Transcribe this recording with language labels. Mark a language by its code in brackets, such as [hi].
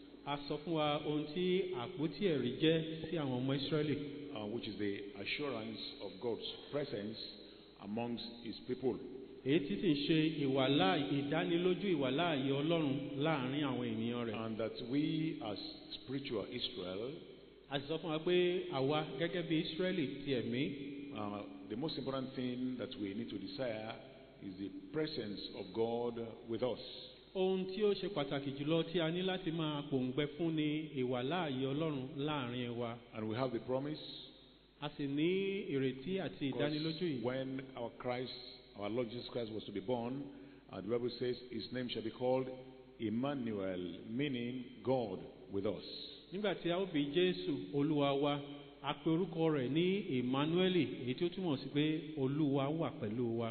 [yo] A sọ fún wa ohun tí àpótí ẹ̀rí jẹ́ sí àwọn ọmọ Israẹli. [en] Which is the assurance of God's presence amongst his people. [yo] Èyí tí sì ń ṣe ìwàlá ìdánilójú ìwàlá ayé Ọlọ́run láàrin àwọn ènìyàn rẹ̀. [en] And that we as spiritual Israel. [yo] A sọ fún wa pé àwa gẹ́gẹ́ bí Israẹli ti ẹ̀mí. [en] The most important thing that we need to desire is the presence of God with us. [yo] Ohun tí ó ṣe pàtàkì jùlọ tí a ní láti máa pòǹgbẹ fún ni ìwàláàyè Ọlọ́run láàrin wa. [en] And we have the promise. [yo] A sì ní ìrètí àti ìdánilójú yìí. [en] When our Christ, our Lord Jesus Christ was to be born, and the Bible says his name shall be called Emmanuel, meaning God with us. [yo] Nígbà tí a ó bí Jésù Olúwa wa, a pe orúkọ rẹ̀ ní Emmanuel, èyí tí ó túmọ̀ sí pé Olúwa wà pẹ̀lú wa.